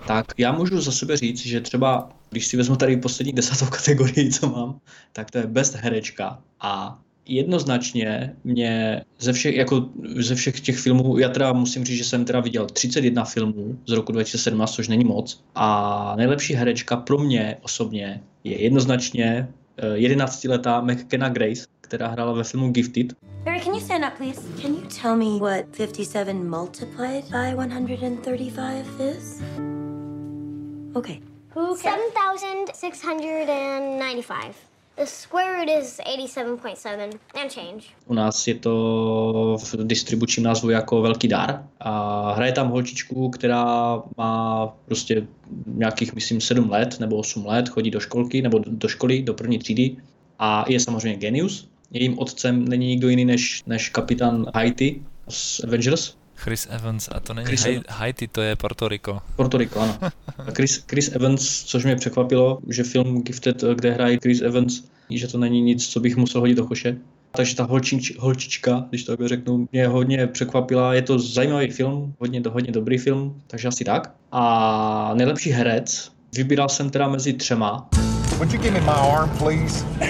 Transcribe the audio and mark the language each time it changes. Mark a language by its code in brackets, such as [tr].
[cs] Tak já můžu za sebe říct, že třeba, když si vezmu tady poslední desátou kategorii, co mám, tak to je Best herečka a jednoznačně mě ze všech těch filmů, já teda musím říct, že jsem teda viděl 31 filmů z roku 2017, což není moc, a nejlepší herečka pro mě osobně je jednoznačně 11letá McKenna Grace, která hrála ve filmu Gifted. [en] Mary, can you stand up, please? Can you tell me what 57 multiplied by 135 is? Okay. 7695. The square root is 87.7 and change. [cs] U nás je to v distribučním názvu jako Velký dar. A hraje tam holčičku, která má prostě nějakých, myslím, 7 let nebo 8 let, chodí do školky nebo do školy, do první třídy a je samozřejmě genius. Jejím otcem není nikdo jiný než kapitán Haiti z Avengers. Chris Evans, a to není Haiti, to je Puerto Rico. Puerto Rico, ano. Chris Evans, což mě překvapilo, že film Gifted, kde hraje Chris Evans, že to není nic, co bych musel hodit do koše. Takže ta holčička, když to takhle řeknu, mě hodně překvapila. Je to zajímavý film, hodně dobrý film, takže asi tak. A nejlepší herec, vybíral jsem teda mezi třema. [en] Would you give me my arm, please?